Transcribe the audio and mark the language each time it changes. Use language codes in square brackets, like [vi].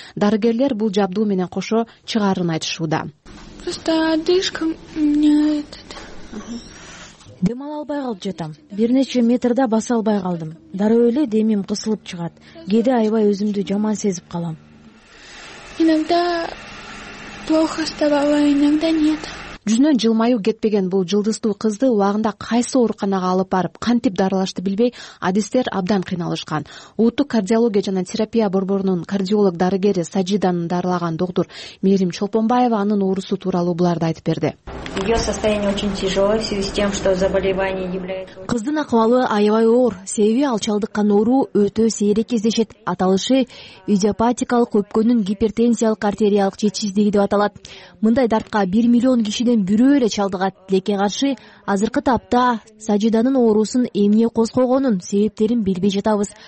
[ky] Дарыгерлер бул жабдуу менен кошо чыгарын айтышууда. [ru] Просто одышка мне этот. [ky] Дем ала албай калып жатам. Бир нече метрде баса албай калдым. Дароо эле демим кысылып чыгат. Кээде аябай өзүмдү жаман сезип калам. [ru] Иногда плохо стало, иногда нет. [ky] Жүзүнөн жылмаюу кетпеген бул жылдыздуу кызды убагында кайсы ооруканага алып барып, кантип дарылашты билбей, адистер абдан кыйналышкан. Ууттук кардиология жана терапия борборунун кардиолог дарыгери Сажиданы дарылаган доктор Мээрим Чолпонбаева анын оорусу тууралуу буларды айтып берди. [ru] Её состояние очень тяжёлое в связи с тем, что заболевание является. [ky] Кыздын акыбалы аябай оор, себеби ал чалдыккан оору өтө сейрек кездешет. Аталышы идиопатикалык өпкөнүн гипертензиялык артериялык жетишсиздиги деп аталат. Мындай дартка 1 миллион киши ден бирөө эле чалдыгат. Тилекке каршы, азыркы тапта Сажиданын оорусун эмне козгогонун, себептерин билбей жатабыз.